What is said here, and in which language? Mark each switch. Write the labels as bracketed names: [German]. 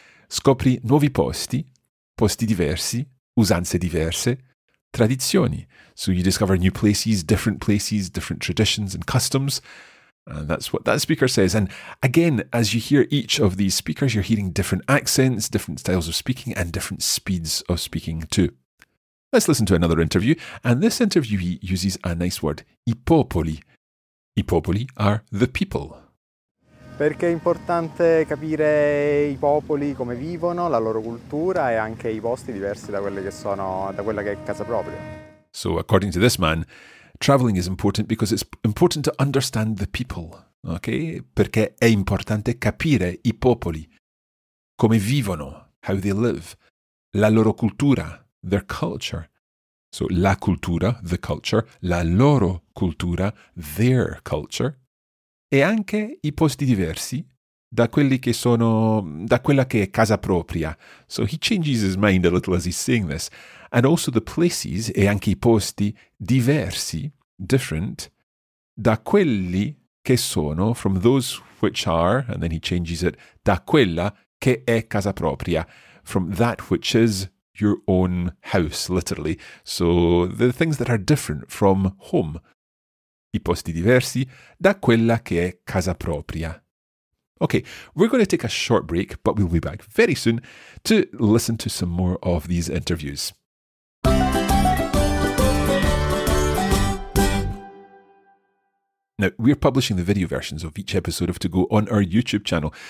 [Italian] Scopri nuovi posti, posti diversi, usanze diverse, tradizioni. [English] So you discover new places, different traditions and customs. And that's what that speaker says. And again, as you hear each of these speakers, you're hearing different accents, different styles of speaking, and different speeds of speaking too. Let's listen to another interview. And this interview he uses a nice word, [Italian] I popoli. I popoli [English] are the people. [Italian] Perché è importante capire i popoli, come vivono, la loro cultura e anche i posti diversi da quelle che sono, da quella che è casa propria. [English] So, according to this man, traveling is important because it's important to understand the people, okay? [Italian] Perché è importante capire i popoli, come vivono, [English] how they live, [Italian] la loro cultura, [English] their culture. So, [Italian] la cultura, [English] the culture, [Italian] la loro cultura, [English] their culture. [Italian] E anche i posti diversi da quelli che sono da quella che è casa propria. [English] So he changes his mind a little as he's saying this. And also the places [Italian] e anche i posti diversi, [English] different, [Italian] da quelli che sono, [English] from those which are, and then he changes it, [Italian] da quella che è casa propria, [English] from that which is your own house, literally. So the things that are different from home. [Italian] I posti diversi da quella che è casa propria. [English] Okay, we're going to take a short break, but we'll be back very soon to listen to some more of these interviews. Now, we're publishing the video versions of each episode of To Go on our YouTube channel.